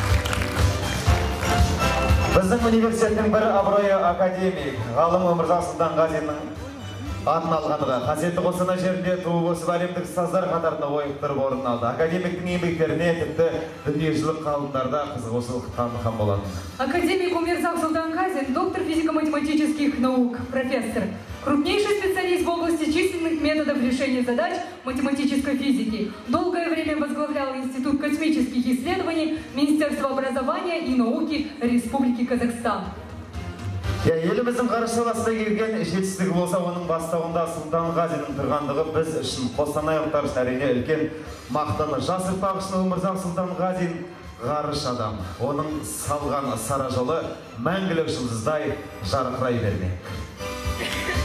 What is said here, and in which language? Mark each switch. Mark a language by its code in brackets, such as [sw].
[kk] Біздің университеттің бір абыройы академик, ғалым Өмірзақ Сұлтан Ғазиннің атын алғандығы, қасиетті қостанай жерінде туып өсіп әлемдік ұстаздар қатарында ойықтырып орын алды. Академиктің еңбектеріне тіпті дүниежүзілік ғалымдарда қызығушылық танытқан болатын. [ru] Академик Өмірзақ Сұлтан Ғазин, доктор физико-математических наук, профессор. Крупнейший специалист в области численных методов решения задач математической физики. Долгое время возглавлял Институт космических исследований Министерства образования и науки Республики Казахстан. [kk] Я елімізім қарышыласы келген жетістігі болса, оның бастауында Сұлтан Ғазиннің тұрғандығы біз үшін қостанайлықтар әрине үлкен мақтаны. Жасыр Пағышын Өмірзан Сұлтан Ғазин ғарыш адам. Оның салған сара жолы мәңгілік жұлдыздай жарқырай бермек.